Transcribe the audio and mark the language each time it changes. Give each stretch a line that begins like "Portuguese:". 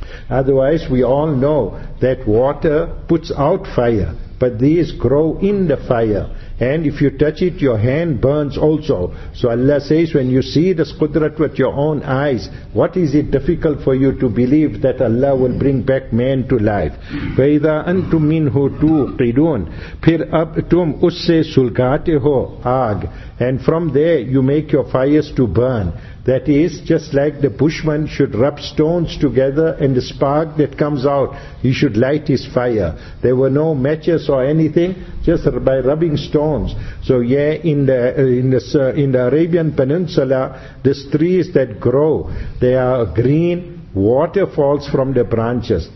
English: Otherwise, we all know that water puts out fire, but these grow in the fire. And if you touch it, your hand burns also. So Allah says, when you see this qudrat with your own eyes, what is it difficult for you to believe that Allah will bring back man to life?
Arabic: فَإِذَا أَنْتُمْ مِنْهُ تُوْقِدُونَ
Urdu: پھر اب تم اس سے سلگاتے ہو آگ.
English: And from there you make your fires to burn. That is, just like the bushman should rub stones together and the spark that comes out, he should light his fire. There were no matches or anything, just by rubbing stones. So yeah, in the Arabian Peninsula, the trees that grow, they are green, water falls from the branches.